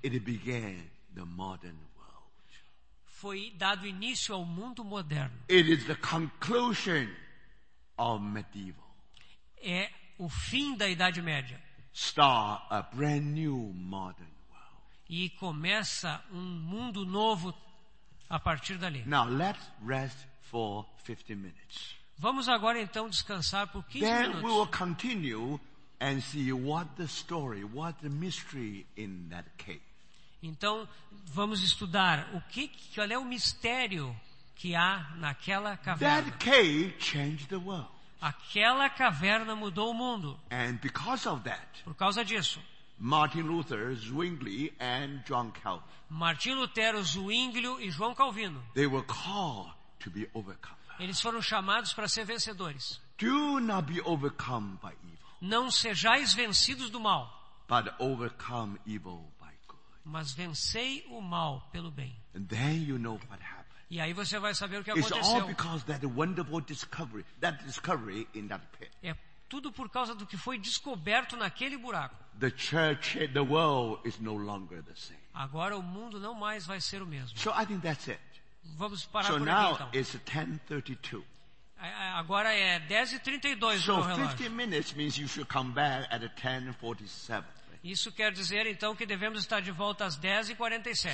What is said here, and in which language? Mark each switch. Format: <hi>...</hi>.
<en>it began the modern world.</en> <pt>foi dado início ao mundo moderno.</pt> <en>It is the conclusion of medieval.</en> <pt>É o fim da Idade Média.</pt> <en>Start a brand new modern world.</en> <pt>E começa um mundo novo a partir dali.</pt> <en>Now let's rest for 50 minutes.</en> <pt>Vamos agora então descansar por 15</pt> <en>Then</en> <pt>minutos.</pt> <en>Then we will continue and see what the story, what the mystery in that cave.</en> <pt>Então, vamos estudar o que, qual é o mistério que há naquela caverna.</pt> <en>That cave changed the world.</en> <pt>Aquela caverna mudou o mundo.</pt> <en>And because of that,</en> <pt>por causa disso,</pt> <en>Martin Luther, Zwingli and John Calvin.</en> <pt>Martin Lutero, Zwingli e João Calvino.</pt> <en>They were called to be overcome.</en> <pt>Eles foram chamados para ser vencedores.</pt> <en>Do not be overcome by evil.</en> <pt>Não sejais vencidos do mal.</pt> <en>But overcome evil.</en> <pt>Mas vencei o mal pelo bem.</pt> <en>And then you know what happened.</en> <pt>E aí você vai saber o que</pt> <en>It's</en> <pt>aconteceu.</pt> <en>All because that wonderful discovery, that discovery in that pit.</en> <pt>É tudo por causa do que foi descoberto naquele buraco.</pt> <en>The church, the world is no longer the same.</en> <pt>Agora o mundo não mais vai ser o mesmo.</pt> <en>So I think that's it.</en> <pt>Vamos parar</pt> <en>so</en> <pt>por</pt> <en>now</en> <pt>aqui, então.</pt> <en>It's 10:32.</en> <pt>Agora é 10:32</pt> <en>so</en> <pt>no relógio.</pt> <en>50 minutes means you should come back at 10:47.</en> <pt>Isso quer dizer, então, que devemos estar de volta às 10h47.</pt>